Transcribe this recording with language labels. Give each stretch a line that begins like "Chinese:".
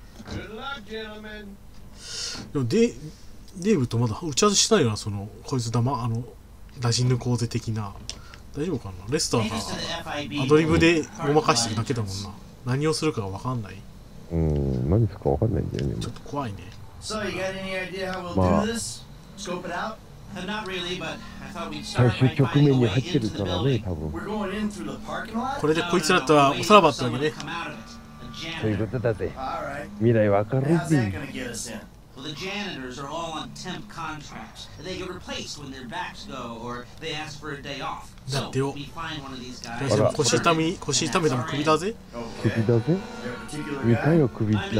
English: Good luck, gentlemen.
Japanese: でもデイブとまだ打ち合わせしないよな、そのこいつだま、あの出し抜こうぜ的な。大丈夫かな、レスターがアドリブでごまかしてるだけだもんな。何をするかが分かんない。何ですか、分かんないんだよね。ちょっと怖いね。
English: So you got any idea how we'll do this? Scope it out? Not really, but I thought we'd start by finding a way into the building. We're going in through the parking lot?
Japanese: これでこいつらとはおさらばってわけね。そういうことだぜ。未来分かるぜ。
English: Well, the janitors are all on temp contracts. They get replaced when their backs go or they ask for a day off. So, we find one of these guys.
Japanese: 腰痛めても首だぜ。首だぜ。みたいよ、首だったぜ。